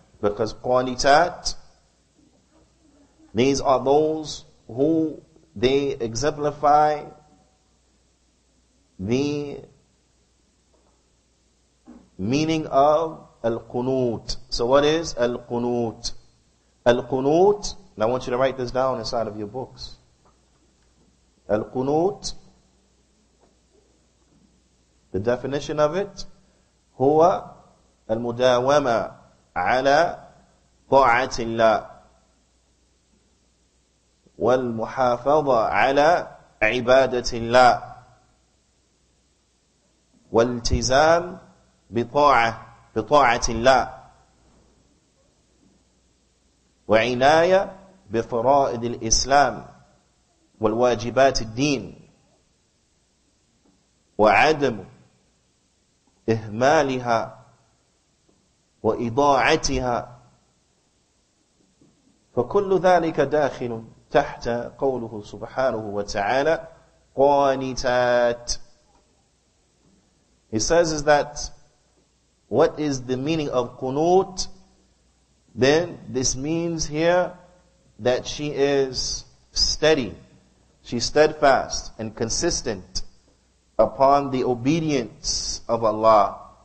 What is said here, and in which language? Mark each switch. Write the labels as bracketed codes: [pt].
[en] Because قَانِتَات, these are those who they exemplify the meaning of Al-Qunut. So what is Al-Qunut? Al-Qunut, and I want you to write this down inside of your books. Al-Qunut, the definition of it, [ar] huwa al-mudawama ala ta'atillah wal-muhafaza ala ibadatillah wal-tizam bi-ta'ah بِطَاعَةِ اللَّهِ وَعِنَايَ بِفَرَائِدِ الْإِسْلَامِ وَالْوَاجِبَاتِ الدِّينِ وَعَدَمُ إِهْمَالِهَا وَإِضَاعَتِهَا فَكُلُّ ذَلِكَ دَاخِلٌ تَحْتَ قَوْلُهُ سُبْحَانُهُ وَتَعَالَى قَانِتَات. [en] He says is that what is the meaning of qunut? Then this means here that she is steady. She's steadfast and consistent upon the obedience of Allah.